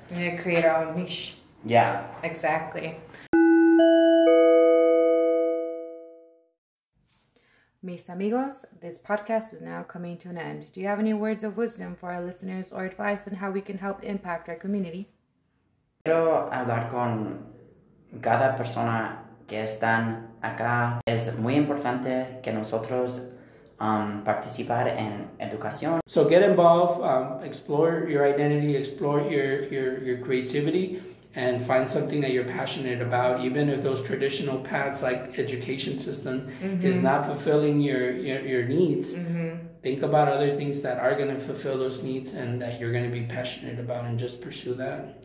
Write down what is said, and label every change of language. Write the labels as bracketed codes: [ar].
[en] We need to create our own niche. Yeah. Exactly. [es] Mis amigos, [en] this podcast is now coming to an end. Do you have any words of wisdom for our listeners or advice on how we can help impact our community? [es] Quiero hablar con cada persona que están acá. Es muy importante que nosotros participar en educación. [en] So get involved, explore your identity, explore your creativity, and find something that you're passionate about, even if those traditional paths like education system mm-hmm. is not fulfilling your needs. Mm-hmm. Think about other things that are going to fulfill those needs and that you're going to be passionate about, and just pursue that.